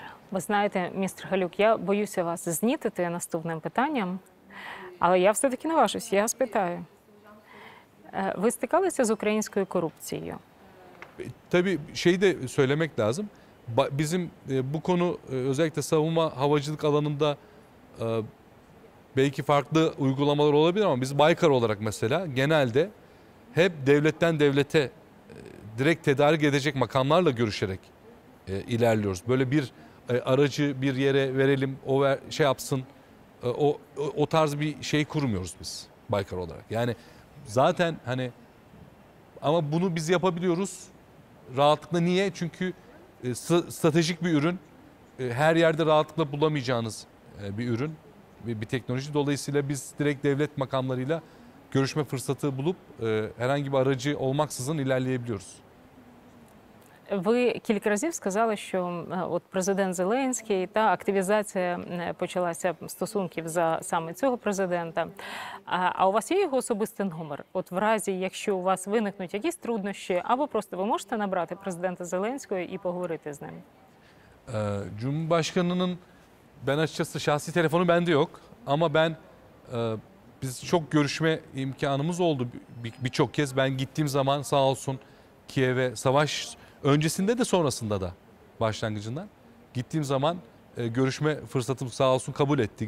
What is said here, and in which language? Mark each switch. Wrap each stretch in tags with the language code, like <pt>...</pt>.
<uk>Ви знаєте, містер Галюк, я боюся вас знітити наступним питанням, але я все-таки наважусь, я спитаю. Ви стикалися з українською корупцією?</uk> <tr>Tabii şey de söylemek lazım. Bizim bu konu özellikle savunma havacılık alanında belki farklı uygulamalar olabilir ama biz Baykar olarak mesela genelde hep devletten devlete direkt tedarik edecek makamlarla görüşerek ilerliyoruz. Böyle bir aracı bir yere verelim, o şey yapsın, o tarz bir şey kurmuyoruz biz Baykar olarak. Yani zaten hani, ama bunu biz yapabiliyoruz rahatlıkla. Niye? Çünkü stratejik bir ürün, her yerde rahatlıkla bulamayacağınız bir ürün ve bir teknoloji. Dolayısıyla biz direkt devlet makamlarıyla görüşme fırsatı bulup herhangi bir aracı olmaksızın ilerleyebiliyoruz.</tr> <uk>Ви кілька разів сказали, що от президент Зеленський та активізація почалася стосунків за саме цього президента. А у вас є його особистий номер? От в разі, якщо у вас виникнуть якісь труднощі, або просто ви можете набрати президента Зеленського і поговорити з ним?</uk> <tr>Cumhurbaşkanının ben açıkçası şahsi telefonu bende yok, ama ben biz çok görüşme imkanımız oldu birçok kez. Ben gittiğim zaman sağ olsun Kiev'e savaş öncesinde de sonrasında da, başlangıcından gittiğim zaman görüşme fırsatımız sağ olsun kabul etti.</tr>